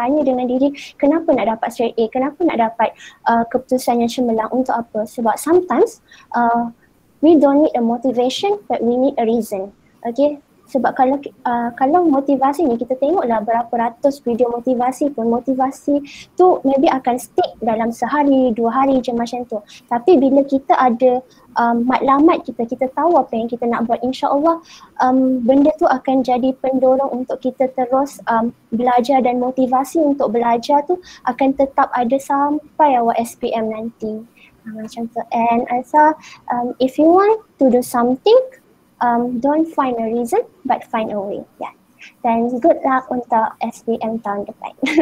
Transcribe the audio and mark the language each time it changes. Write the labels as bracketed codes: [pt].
[ms] Tanya dengan diri, kenapa nak dapat straight A? Kenapa nak dapat keputusan yang cemerlang? Untuk apa? Sebab [en] sometimes we don't need a motivation but we need a reason. [ms] Okay? Sebab kalau kalau motivasi ni, kita tengoklah berapa ratus video motivasi pun, motivasi tu maybe akan stick dalam sehari, dua hari je macam tu. Tapi bila kita ada matlamat kita tahu apa yang kita nak buat, insyaAllah benda tu akan jadi pendorong untuk kita terus belajar, dan motivasi untuk belajar tu akan tetap ada sampai awak SPM nanti. Macam tu. [en] And also, if you want to do something, don't find a reason but find a way. Yeah. Then good luck [ms] untuk SPM tahun depan.